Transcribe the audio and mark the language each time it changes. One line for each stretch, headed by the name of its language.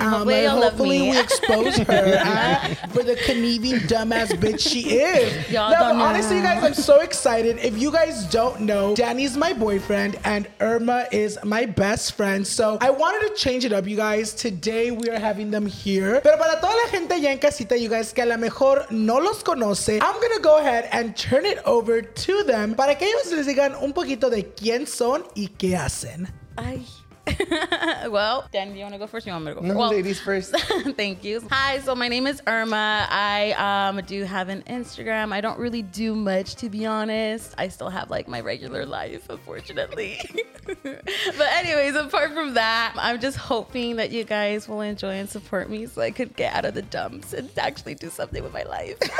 English: Hopefully you'll love me. Expose her for the conniving dumbass bitch she is. Honestly, you guys, I'm so excited. If you guys don't know, Danny's my boyfriend and Irma is my best friend. So I wanted to change it up, you guys. Today we are having them here.
Spanish: Pero para toda la gente allá en casita,
English: you guys,
Spanish: que a lo mejor no los conoce,
English: I'm gonna go ahead and turn it over to them
Spanish: para que ellos les digan un poquito de quién son y qué hacen. Ay.
English: Well, Dan, do you want to go first? You want me to go first? No, well, ladies first. Thank you. Hi, so my name is Irma. I do have an Instagram. I don't really do much, to be honest. I still have like my regular life, unfortunately. But anyways, apart from that, I'm just hoping that you guys will enjoy and support me so I could get out of the dumps and actually do something with my life.